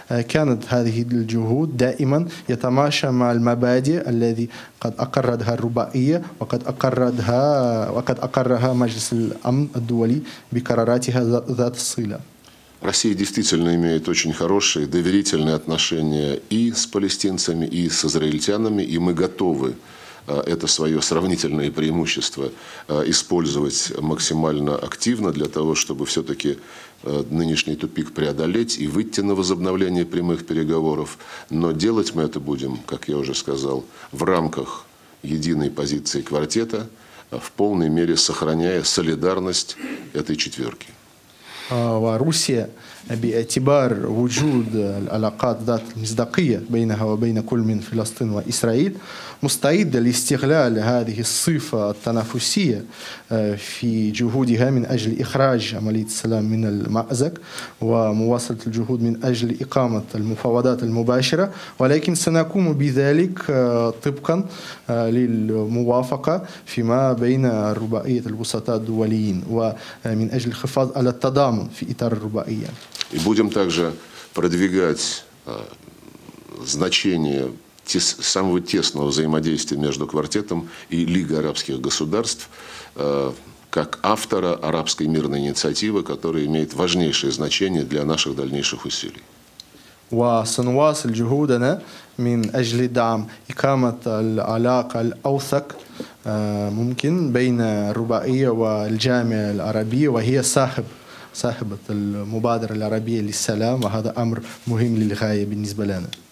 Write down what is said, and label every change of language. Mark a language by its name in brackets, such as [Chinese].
[Arabic] كانت هذه الجهود دائما يتماشى مع المبادئ التي قد أقرتها الرباعية وقد أقرها مجلس الأمن الدولي بقراراتها ذات الصلة. [Russian] Россия действительно имеет очень хорошие, доверительные отношения и с палестинцами, и с израильтянами, и мы готовы это свое сравнительное преимущество использовать максимально активно для того, чтобы все-таки нынешний тупик преодолеть и выйти на возобновление прямых переговоров. Но делать мы это будем, как я уже сказал, в рамках единой позиции квартета, в полной мере сохраняя солидарность этой четверки. [Arabic] وروسيا باعتبار وجود العلاقات ذات المصداقية بينها وبين كل من فلسطين وإسرائيل مستعدة لاستغلال هذه الصفة التنافسية في جهودها من أجل إخراج عملية السلام من المأزق ومواصلة الجهود من أجل إقامة المفاوضات المباشرة ولكن سنقوم بذلك طبقا للموافقة فيما بين الرباعية الوسطاء الدوليين ومن أجل الحفاظ على التضامن في إطار الرباعية. [Russian] И будем также продвигать значение самого тесного взаимодействия между квартетом и Лигой арабских государств как автора арабской мирной инициативы, которая имеет важнейшее значение для наших дальнейших усилий. [Arabic] وسنواصل جهودنا من أجل دعم إقامة العلاقة الأوثق ممكن بين الرباعية والجامعة العربية وهي صاحبة المبادرة العربية للسلام وهذا أمر مهم للغاية بالنسبة لنا.